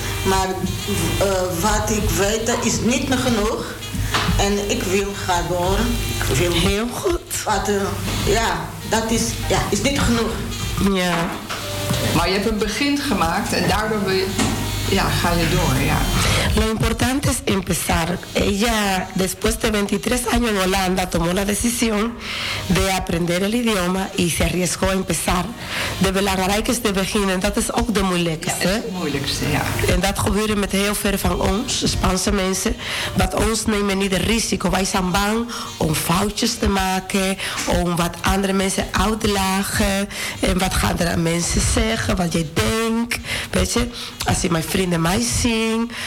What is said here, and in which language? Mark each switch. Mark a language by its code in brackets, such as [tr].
[nl] Maar wat ik weet, dat is niet meer genoeg. En ik wil gaan door. Ik wil heel goed. Wat, ja, dat is, ja, is niet genoeg. Ja. Maar je hebt een begin gemaakt en daardoor wil je, ja, ga je door, ja. [es] Lo importante es empezar. Ella, después de 23 años en Holanda, tomó la decisión de aprender el idioma y se arriesgó a empezar. [nl] De belangrijkste is de beginnen. Dat is ook de moeilijkste. Ja, het moeilijkste, ja. En dat gebeurt met heel veel van ons, Spaanse mensen. Wat ons nemen niet het risico. Wij zijn bang om foutjes te maken, om wat andere mensen uit te lagen. En wat gaan er aan mensen zeggen, wat jij denkt. Weet je, als je mijn vrienden mij zien.